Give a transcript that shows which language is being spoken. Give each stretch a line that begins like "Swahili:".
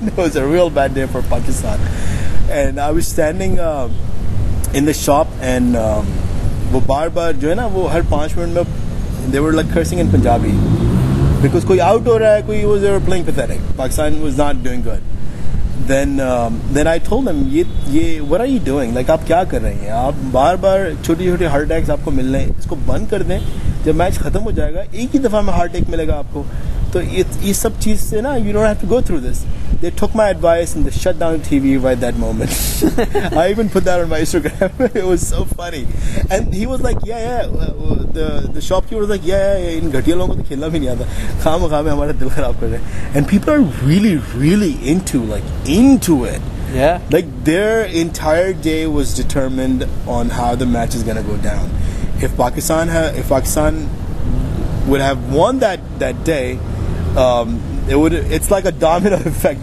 English: It was a real bad day for Pakistan, and I was standing in the shop, and वो बार बार जो है ना वो हर 5 minute में they were like cursing in Punjabi because कोई आउट हो रहा है, कोई was, they were playing pathetic. Pakistan was not doing good. Then I told them, ye, what are you doing?
Hindi: Like, आप क्या कर रहे हैं? आप बार बार छोटे छोटे हार्ट अटैक्स आपको मिल रहे हैं। इसको बंद कर दें। जब मैच खत्म हो जाएगा, एक ही दफ़ा में हार्ट अटैक मिलेगा आपको।
English: To ye sab cheez se na, you don't have to go through this. They took my advice and they shut down the TV right that moment. I even put that on my Instagram. It was so funny. And he was like, yeah. The shopkeeper was like, yeah.
Hindi: इन घटिया लोगों को तो खेलना भी नहीं आता। खाम खाम में हमारा दिल खराब कर रहे।
English: And people are really, really into it. Yeah. Like their entire day was determined on how the match is going to go down. If Pakistan would have won that day, it's like a domino effect.